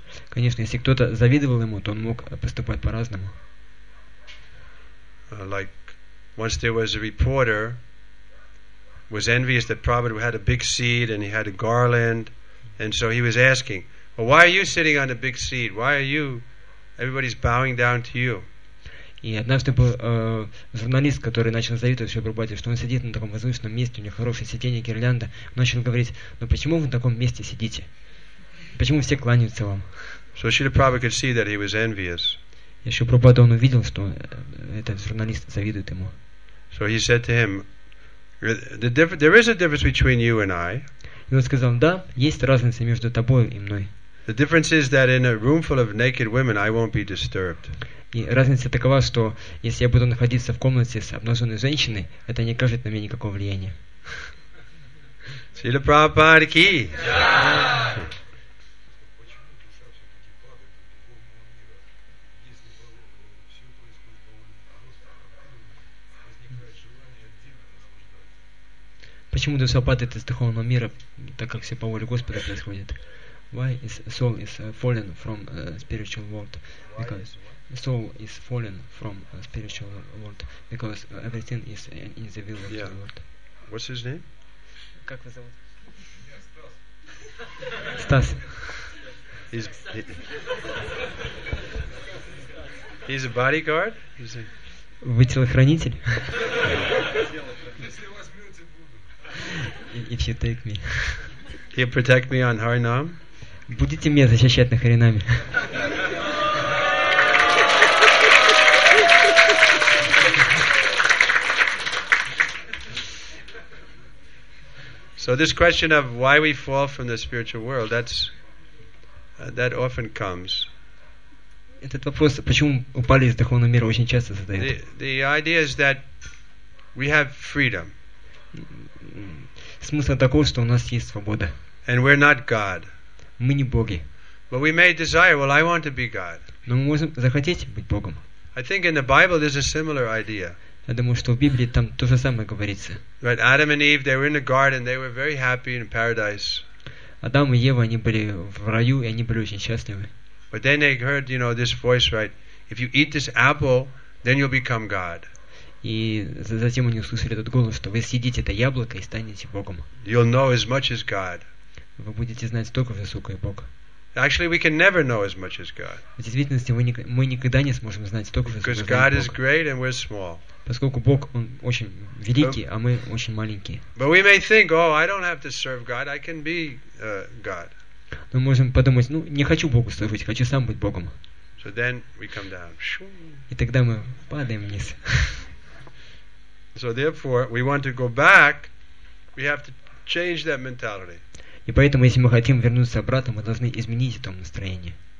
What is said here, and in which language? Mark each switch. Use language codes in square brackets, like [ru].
[ru] Конечно, если кто-то завидовал ему, то он мог поступать по-разному. [en] Like once there was a reporter was envious that Prabhupada had a big seat and he had a garland, and so he was asking, "Well, why are you sitting on a big seat? Why are you? Everybody's bowing down to you." [ru] И однажды был журналист, который начал завидовать Шрилапрабхупаде, что он сидит на таком возвышенном месте, у него хорошее сиденье, гирлянда. Он начал говорить: «Но почему вы на таком месте сидите? Почему все кланяются вам?» [en] So Srila Prabhupada could see that he was envious. [ru] И Шрилапрабхупада он увидел, что этот журналист завидует ему. [en] So he said to him, there is a difference between you and I. [ru] И он сказал: «Да, есть разница между тобой и мной». [en] The difference is that in a room full of naked women, I won't be disturbed. [ru] И разница такова, что если я буду находиться в комнате с обнаженной женщиной, это не окажет на меня никакого влияния. [hi] Srila Prabhupada ki. [ru] Почему душа падает из духовного мира, так как все по воле Господа происходит? [en] Why is soul is fallen from spiritual world? Because soul is fallen from spiritual world because everything is in the will of yeah. the Lord. What's his name? [ru] Как вас зовут? Стас. [en] He's a bodyguard? [ru] Вы телохранитель? [en] If you take me. He'll protect me on Harinam? [ru] Будете меня защищать на Харинаме? [en] So this question of why we fall from the spiritual world, that often comes. [ru] Этот вопрос, почему мы упали из духовного мира, очень часто задают. [en] The idea is that we have freedom. [ru] Смысл такой, что у нас есть свобода. [en] And we're not God. [ru] Мы не боги. [en] But we may desire, well, I want to be God. [ru] Но мы можем захотеть быть богом. [en] I think in the Bible there's a similar idea. [ru] Я думаю, что в Библии там то же самое говорится. [en] Right, Adam and Eve, they were in the garden, they were very happy in paradise. [ru] Адам и Ева, они были в раю, и они были очень счастливы. [en] But then they heard, you know, this voice, right? If you eat this apple, then you'll become God. [ru] И затем они услышали этот голос, что вы съедите это яблоко и станете богом. [en] You'll know as much as God. [ru] Вы будете знать столько же, сколько и Бог. [en] Actually, we can never know as much as God. [ru] В действительности мы никогда не сможем знать столько же, сколько [en] Бог. Because God is great and we're small. [ru] Поскольку Бог он очень великий, а мы очень маленькие. [en] But we may think, oh, I don't have to serve God. I can be God. [ru] Мы можем подумать, ну, не хочу Богу служить, хочу сам быть Богом. [en] So then we come down. [ru] И тогда мы падаем вниз. [en] So therefore, we want to go back. We have to change that mentality. [ru] И поэтому, если мы хотим вернуться обратно, мы должны изменить это настроение.